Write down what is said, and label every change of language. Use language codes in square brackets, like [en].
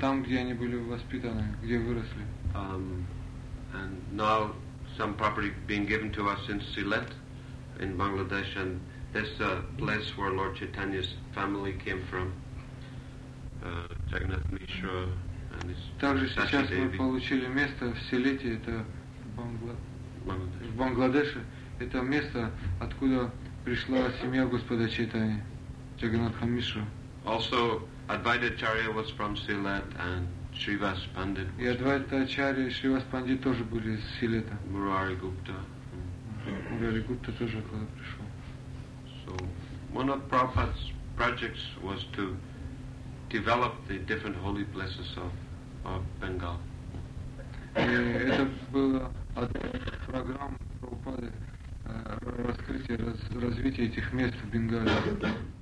[ru] Там, где они были воспитаны, где выросли. [en] And now some property being given to us in Silet, in Bangladesh, and this place where Lord Chaitanya's family came from, Jagannath Mishra and his Sachi Devi. [ru] Также сейчас мы получили место в Силете, это в Бангладеше. Это место, откуда пришла семья Господа Чайтани, Джаганнатха Мишра. [en] Also, Advaita Acharya was from Silet and Srivas Pandit. [ru] И Advaita Acharya и Srivas Pandit тоже были из Силета. Мурари Гупта. Мурари Гупта тоже оттуда пришел. [en] So, one of Prabhupada's projects was to develop the different holy places of Bengal. [ru] И это была одна из программ Прабхупады. Раскрытие, развитие этих мест в Бенгалии.